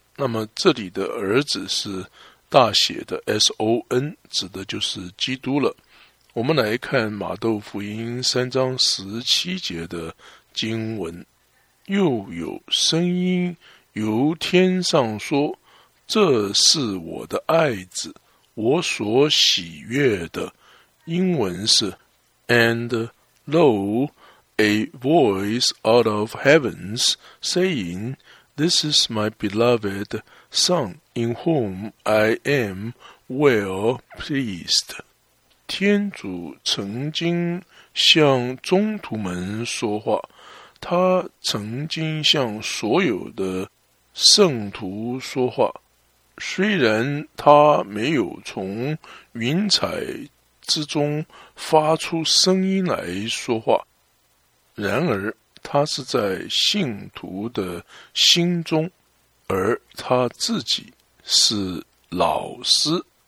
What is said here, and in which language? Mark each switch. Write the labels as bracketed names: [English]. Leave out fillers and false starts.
[Chinese] 那么这里的儿子是大写的 S-O-N， 指的就是基督了。我们来看马窦福音三章十七节的经文，又有声音由天上说，这是我的爱子，我所喜悦的。英文是 [English] And lo, a voice out of heavens saying, This is my beloved Son, in whom I am well pleased. [Chinese] 天主曾经向宗徒们说话，他曾经向所有的圣徒说话，虽然他没有从云彩之中发出声音来说话，然而他是在信徒的心中，而他自己是老师。